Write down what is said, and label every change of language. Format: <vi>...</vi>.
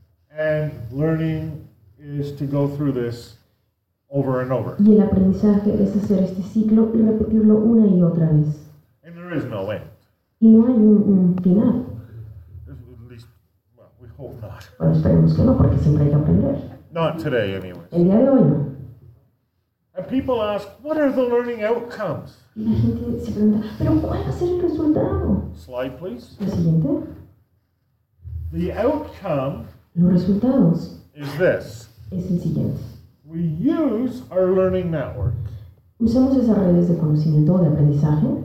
<en>And learning is to go through this over and over.</en> <es>Y el aprendizaje es hacer este ciclo y repetirlo una y otra vez.</es> <en>And there is no end.</en> <es>Y no hay un final.</es> <en>At least, well, we hope not.</en> <es>Bueno, esperemos que no, porque siempre hay que aprender.</es> <en>Not today, anyways.</en> <es>El día de hoy no.</es> <en>And people ask, what are the learning outcomes?</en> <es>Y la gente se pregunta, ¿pero cuál va a ser el resultado?</es> <en>Slide, please.</en> <es>La siguiente.</es> <en>The outcome,</en> <es>los resultados,</es> <en>is this.</en> <es>Es el siguiente.</es> <en>We use our learning network.</en> <es>Usamos esas redes de conocimiento o de aprendizaje.</es>